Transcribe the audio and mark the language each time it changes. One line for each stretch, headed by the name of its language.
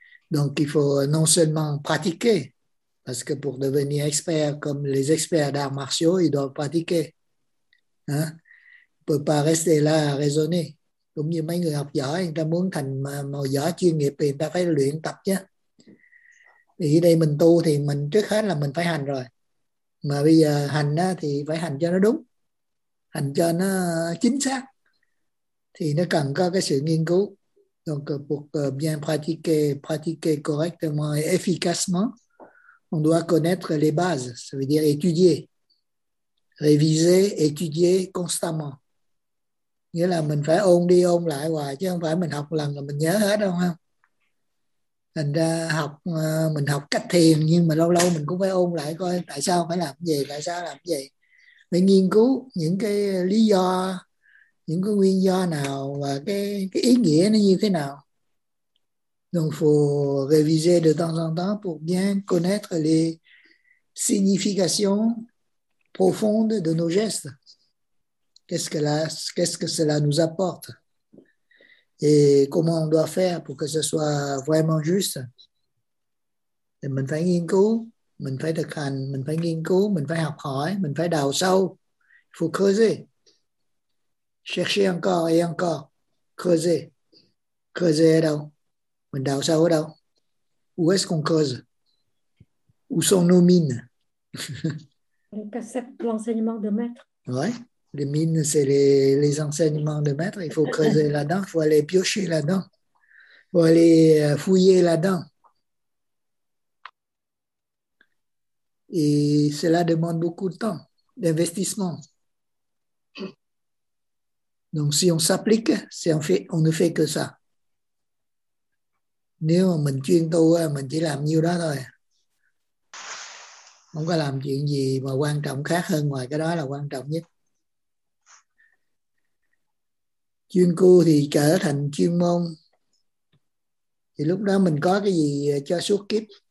French: Donc, il faut non seulement pratiquer, parce que pour devenir expert, comme les experts d'arts martiaux, ils doivent pratiquer. Hein? On ne peut pas rester là à raisonner.
Vietnamese: Cũng như mấy người học giỏi, người ta muốn thành một giỏi chuyên nghiệp thì người ta phải luyện tập chứ. Thì ở đây mình tu thì mình trước hết là mình phải hành rồi. Mà bây giờ hành á, thì phải hành cho nó đúng, hành cho nó chính xác. Thì nó cần có cái sự nghiên cứu.
French: Donc, pour bien pratiquer correctement et efficacement, on doit connaître les bases, ça veut dire étudier, réviser, étudier constamment.
Vietnamese: Nghĩa là mình phải ôn đi ôn lại hoài, chứ không phải mình học lần là mình nhớ hết đâu ha. Thành ra mình học cách thiền, nhưng mà lâu lâu mình cũng phải ôn lại coi tại sao phải làm gì, tại sao làm gì. Phải nghiên cứu những cái lý do, những cái nguyên do nào và cái ý nghĩa nó như thế nào.
French: Donc faut réviser de temps en temps pour bien connaître les significations profondes de nos gestes. Qu'est-ce que cela nous apporte? Et comment on doit faire pour que ce soit vraiment juste?
Vietnamese: Et mình phải nghiên cứu, mình phải thực hành, mình phải nghiên cứu, mình phải học hỏi, mình phải đào sâu,
French: il faut creuser. Chercher encore et encore, creuser. Creuser là où?
Vietnamese: Mình đào sâu ở đâu?
French: Où est-ce qu'on creuse? Où sont nos mines? On accepte l'enseignement de maître. Ouais, les mines, c'est les enseignements de maître. Il faut creuser là-dedans, il faut aller piocher là-dedans, il faut aller fouiller là-dedans. Et cela demande beaucoup de temps, d'investissement. Donc, si on s'applique, c'est en fait, on ne fait que ça.
Vietnamese: Nếu mà mình chuyên tu, mình chỉ làm nhiêu đó thôi. Không có làm chuyện gì mà quan trọng khác hơn ngoài cái đó là quan trọng nhất. Chuyên cư thì trở thành chuyên môn. Thì lúc đó mình có cái gì cho suốt kiếp.